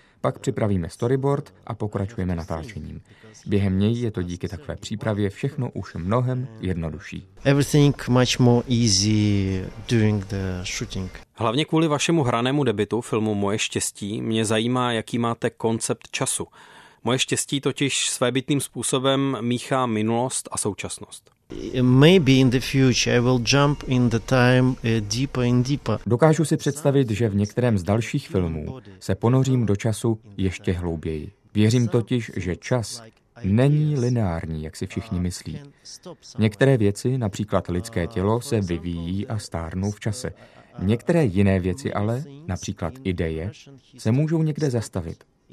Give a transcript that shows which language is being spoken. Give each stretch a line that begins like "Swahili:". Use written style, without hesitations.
Czech: Pak připravíme storyboard a pokračujeme natáčením. Během něj je to díky takové přípravě všechno už mnohem jednodušší.
English: Everything much more easy during the shooting.
Czech: Hlavně kvůli vašemu hranému debutu filmu Moje štěstí mě zajímá, jaký máte koncept času. Moje štěstí totiž svébytným způsobem míchá minulost a současnost.
English: Maybe in the future I will jump in the time deeper and deeper.
Czech: Dokážu si představit, že v některém z dalších filmů se ponořím do času ještě hlouběji. Věřím totiž, že čas není lineární, jak si všichni myslí. Některé věci, například lidské tělo, se vyvíjí a stárnou v čase. Některé jiné věci ale, například ideje, se můžou někde zastavit.